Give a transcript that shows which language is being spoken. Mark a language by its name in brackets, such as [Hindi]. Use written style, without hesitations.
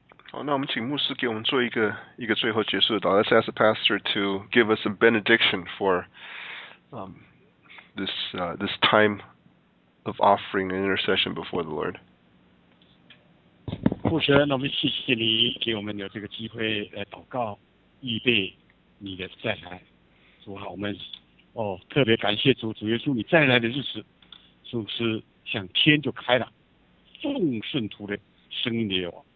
[Chinese] 好，那我们请牧师给我们做一个最后结束的祷告。 [English] Let's ask the pastor to give us a benediction for this time of offering and intercession before the Lord. [Chinese] 牧师，那我们谢谢你给我们有这个机会来祷告，预备你的再来。主啊，我们特别感谢主，主耶稣你再来的日子，主是像天就开了，众圣徒的声音也有。